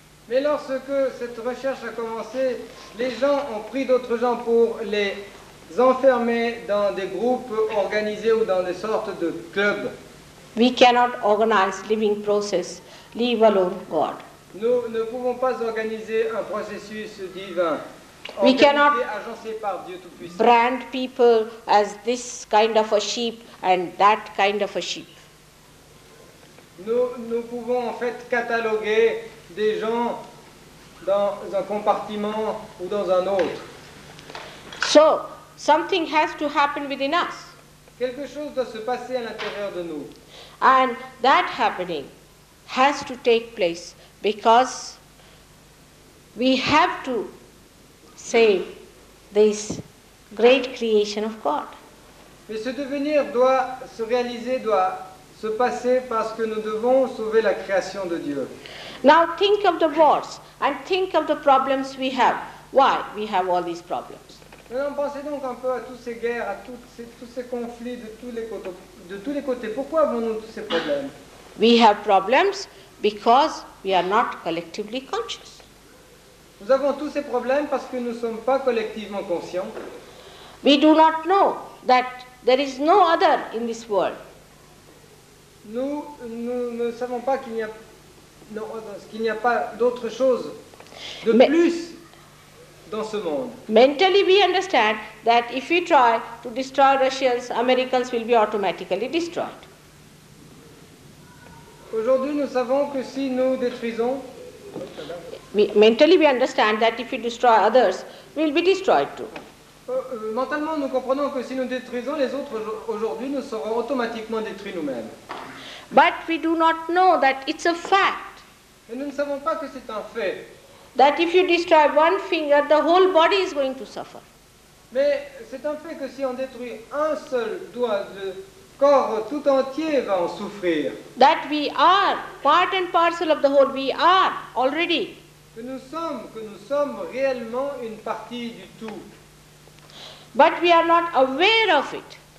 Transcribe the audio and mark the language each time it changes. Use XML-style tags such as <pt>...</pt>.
<fr>Mais lorsque cette recherche a commencé, les gens ont pris d'autres gens pour les enfermer dans des groupes organisés ou dans des sortes de clubs.</fr> <en>We cannot organize living process, leave alone God.</en> <fr>Nous ne pouvons pas organiser un processus divin.</fr> <en>We cannot</en> <fr>agencé par Dieu Tout-Puissant.</fr> <en>Brand people as this kind of a sheep and that kind of a sheep.</en> <fr>Nous pouvons en fait cataloguer des gens dans un compartiment ou dans un autre.</fr> <en>So, something has to happen within us.</en> <fr>Quelque chose doit se passer à l'intérieur de nous.</fr> <en>And that happening has to take place because we have to save this great creation of God.</en> <fr>Mais ce devenir doit se réaliser, doit se passer parce que nous devons sauver la création de Dieu.</fr> <en>Now think of the wars and think of the problems we have. Why we have all these problems?</en> <fr>Maintenant, pensez donc un peu à toutes ces guerres, à tous ces conflits de tous les côtés. Pourquoi avons-nous tous ces problèmes?</fr> <en>We have problems because we are not collectively conscious.</en> <fr>Nous avons tous ces problèmes parce que nous ne sommes pas collectivement conscients.</fr> <en>We do not know that there is no other in this world.</en> <fr>Nous ne savons pas qu'il n'y a pas d'autre chose de plus. Dans ce monde.</fr> <en>Mentally, we understand that if we try to destroy Russians, Americans will be automatically destroyed.</en> <fr>Aujourd'hui, nous savons que si nous détruisons,</fr> <en>mentally, we understand that if we destroy others, we'll be destroyed too.</en> <fr>Mentalement, nous comprenons que si nous détruisons les autres aujourd'hui, nous serons automatiquement détruits nous-mêmes.</fr> <en>But we do not know that it's a fact.</en> <fr>Mais nous ne savons pas que c'est un fait.</fr> <en>That if you destroy one finger, the whole body is going to suffer.</en> <fr>Mais c'est un fait que si on détruit un seul doigt, le corps tout entier va en souffrir.</fr> <en>That we are part and parcel of the whole. We are already.</en> <fr>Que nous sommes réellement une partie du tout.</fr> <en>But we are not aware of it.</en>